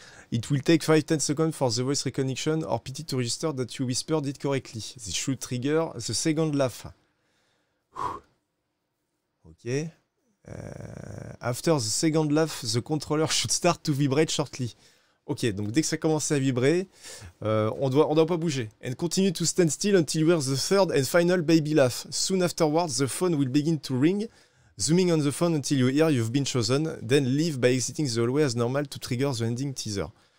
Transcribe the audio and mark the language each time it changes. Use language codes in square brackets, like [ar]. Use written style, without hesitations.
[en] It will take 5-10 seconds for the voice recognition or PT to register that you whispered it correctly. This should trigger the second laugh. Ok. After the second laugh, the controller should start to vibrate shortly. [fr] Ok, donc dès que ça commence à vibrer, on doit pas bouger. [en] And continue to stand still until you hear the third and final baby laugh. Soon afterwards, the phone will begin to ring. Zooming on the phone until you hear you've been chosen, then leave by exiting the hallway as normal to trigger the ending teaser.